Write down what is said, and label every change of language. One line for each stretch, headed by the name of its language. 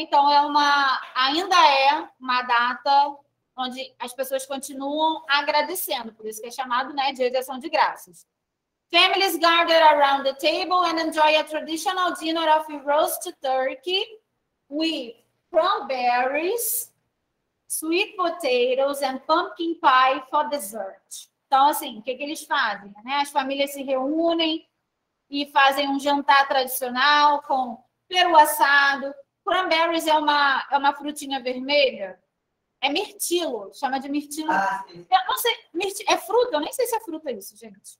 Portuguese: Então, ainda é uma data onde as pessoas continuam agradecendo, por isso que é chamado, né, Dia de Ação de Graças.
English: Families gather around the table and enjoy a traditional dinner of roast turkey with cranberries, sweet potatoes and pumpkin pie for dessert.
Portuguese: Então, assim, o que que eles fazem? Né? As famílias se reúnem e fazem um jantar tradicional com peru assado. Cranberries é uma frutinha vermelha. É mirtilo, chama de mirtilo. Ah, sim. Eu não sei, mirtilo, é fruta? Eu nem sei se é fruta isso, gente.